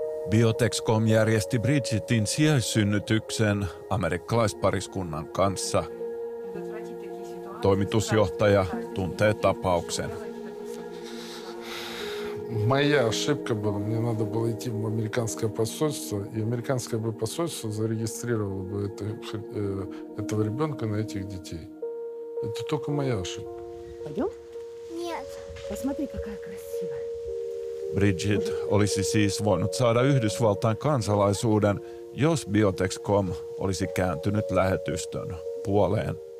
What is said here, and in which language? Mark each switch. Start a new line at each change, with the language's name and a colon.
Finnish: Biotexcom järjesti Bridgetin sijaissynnytyksen amerikkalaispariskunnan kanssa. Toimitusjohtaja tuntee tapauksen.
Russian: Моя ошибка была, мне надо было идти в американское посольство, и американское бы посольство зарегистрировало бы этого ребенка на этих детей. Это только моя ошибка. Пойдем? Нет. Посмотри, какая красивая.
Finnish: Bridget olisi siis voinut saada Yhdysvaltain kansalaisuuden, jos Biotexcom olisi kääntynyt lähetystön puoleen.